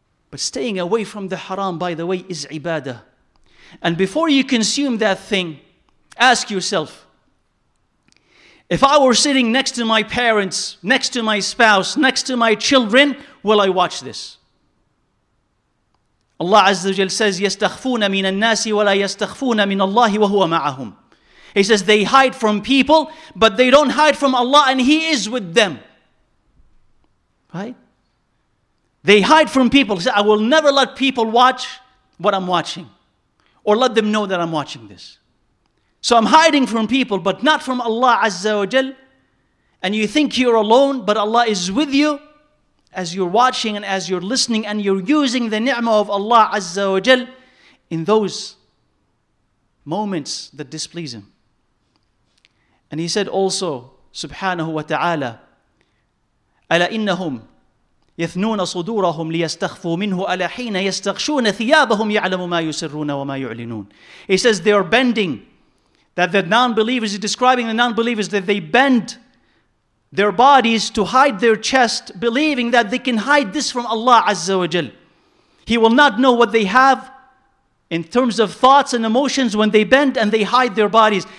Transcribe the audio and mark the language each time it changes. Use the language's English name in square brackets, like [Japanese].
[English] But staying away from the haram, by the way, is ibadah. And before you consume that thing, ask yourself, if I were sitting next to my parents, next to my spouse, next to my children, will I watch this? Allah Azza wa Jalla says, [Arabic] يَسْتَخْفُونَ مِنَ النَّاسِ وَلَا يَسْتَخْفُونَ مِنَ اللَّهِ وَهُوَ مَعَهُمْ. [English] He says they hide from people, but they don't hide from Allah, and He is with them. Right? They hide from people. He says, I will never let people watch what I'm watching, or let them know that I'm watching this. So I'm hiding from people, but not from Allah Azza wa Jal. And you think you're alone, but Allah is with you as you're watching and as you're listening, and you're using the ni'mah of Allah Azza wa Jal in those moments that displease Him. And He said also, [Arabic] Subhanahu wa ta'ala, أَلَا إِنَّهُمْ يَثْنُونَ صُدُورَهُمْ لِيَسْتَخْفُوا مِنْهُ أَلَا حِينَ يَسْتَغْشُونَ ثِيَابَهُمْ يَعْلَمُ مَا يُسِرُّونَ وَمَا يُعْلِنُونَ. [English] He says they are bending. That the non-believers, he's describing the non-believers, that they bend their bodies to hide their chest, believing that they can hide this from Allah Azza wa Jal. He will not know what they have in terms of thoughts and emotions when they bend and they hide their bodies.